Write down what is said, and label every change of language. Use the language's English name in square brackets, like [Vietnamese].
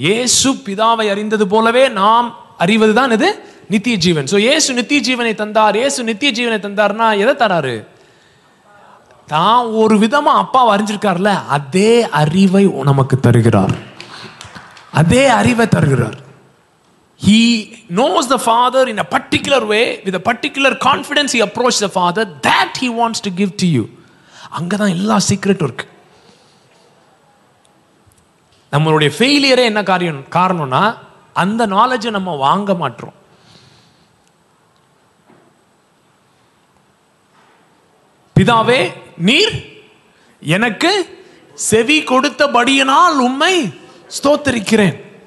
[Tamil] இயேசு பிதாவை அறிந்தது போலவே நாம் அறிவது தான் இது நித்திய ஜீவன். ஸோ இயேசு நித்திய ஜீவனை தந்தார். இயேசு நித்திய ஜீவனை தந்தார்னா எதை தராரு? தான் ஒரு விதமா அப்பா அறிஞ்சிருக்கார்ல, அதே அறிவை நமக்கு தருகிறார். அதே அறிவை தருகிறார். [English] He knows the Father in a particular way, with a particular confidence he approaches the Father, that he wants to give to you. [Tamil] அங்க தான் எல்லா சீக்ரெட்டும் இருக்கு. நம்மளுடைய ஃபெயிலியரே என்ன காரணம்னா, அந்த knowledge நம்ம வாங்க மாட்டோம். பிதாவே நீர் எனக்கு செவி கொடுத்தபடியினால் உம்மை ஸ்தோத்திரிக்கிறேன்.